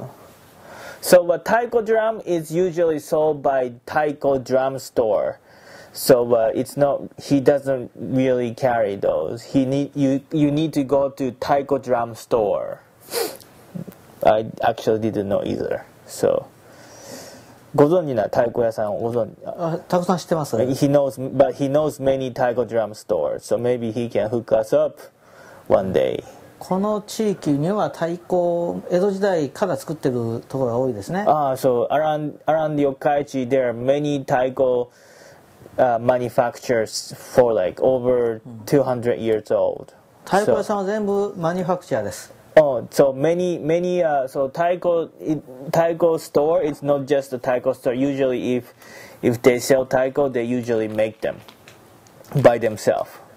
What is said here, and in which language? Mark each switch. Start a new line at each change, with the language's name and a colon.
English: 。 So, but taiko drum is usually sold by taiko drum store. So, but it's not. He doesn't really carry those. He need you need to go to taiko drum store. I actually didn't know either. So.
Japanese: ご存知な太鼓屋さんをご存知、たくさん知ってます。
English: He knows, but he knows many taiko drum stores, so maybe he can hook us up one day.
Japanese: この地域には太鼓、江戸時代から作ってるところが多いですね。
English: Ah, so around Yokkaichi, there are many taiko manufacturers for like over 200 years old.
Japanese: 太鼓屋さんは全部マニファクチャーです。
English: Oh, so many so taiko store, it's not just a taiko store. Usually if they sell taiko, they usually make them by themselves.